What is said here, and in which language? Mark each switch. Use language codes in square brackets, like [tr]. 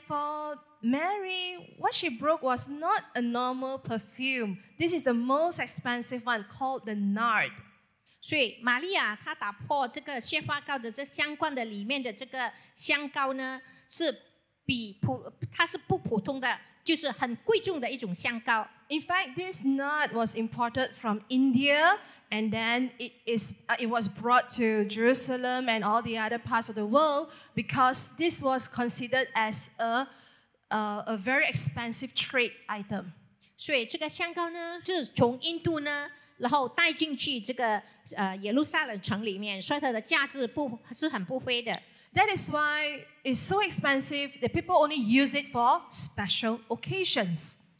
[en] for Mary, what she broke was not a normal perfume. This is the most expensive one called the nard. [zh] 所以玛利亚她打破这个鲜花膏的这香罐的里面的这个香膏呢，是它是不普通的，就是很贵重的一种香膏。 [en] In fact, this nard was imported from India, and then it was brought to Jerusalem and all the other parts of the world because this was considered as a very expensive trade item. [zh] 所以这个香膏呢，是从印度呢。然后带进去这个耶路撒冷城里面，所以它的价值不是很不菲的。 [en] That is why it's so expensive that people only use it for special occasions.